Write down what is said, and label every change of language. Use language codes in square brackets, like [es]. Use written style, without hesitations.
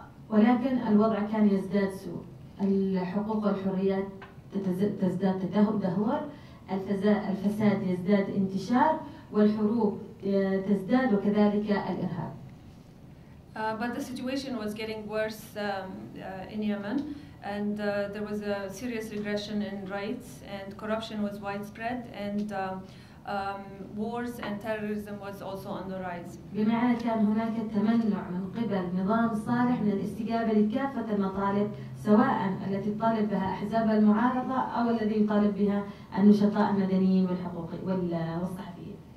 [ar] ولكن الوضع كان يزداد سوء. الحقوق والحريات تزداد تدهور. الفساد يزداد انتشار والحروب تزداد وكذلك الإرهاب. [en] But the situation was getting worse in Yemen, and there was a serious regression in rights, and corruption was widespread, and wars and terrorism was also on the rise. [ar] بمعنى كان هناك تمنع من قبل نظام صالح من الاستجابة لكافة المطالب سواء التي طالب بها أحزاب المعارضة أو الذي يطالب بها النشطاء المدنيين والصحفيين.